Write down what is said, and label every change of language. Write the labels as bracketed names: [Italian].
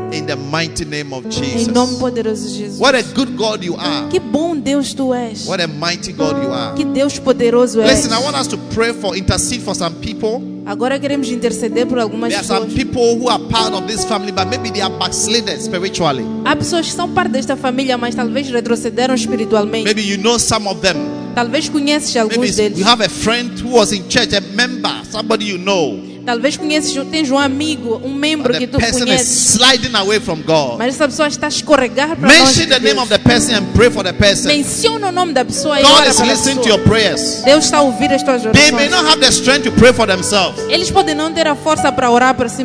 [English] In the mighty name of Jesus. [Portuguese] Em nome poderoso de Jesus. [English] What a good God you are. [Portuguese] Que bom Deus tu és. [English] What a mighty God you are. [Portuguese] Que Deus poderoso és. [English] Listen, I want us to pray for intercede for some people. [Portuguese] Agora queremos interceder por algumas [English] there [Portuguese] pessoas. [English] There are some people who are part of this family, but maybe they are backslidden spiritually. [Portuguese] Há pessoas que são parte desta família, mas talvez retrocederam espiritualmente. [English] Maybe you know some of them. [Portuguese] Talvez conheces alguns [English] maybe [Portuguese] deles. [English] You have a friend who was in church, a member, somebody you know. [Portuguese] Talvez conheces, tens amigo, membro [English] but [Portuguese] que tu conheces. [English] The person is sliding away from God. [Portuguese] Mas essa pessoa está a escorregar para [English] mention [Portuguese] longe de Deus. [English] The name of the person and pray for the person. [Portuguese] Menciona o nome da pessoa. [English] God is listening to your prayers. [Portuguese] Deus está a ouvir as tuas orações. [English] They may not have the strength to pray for themselves. [Portuguese] Eles podem não ter a força para orar por si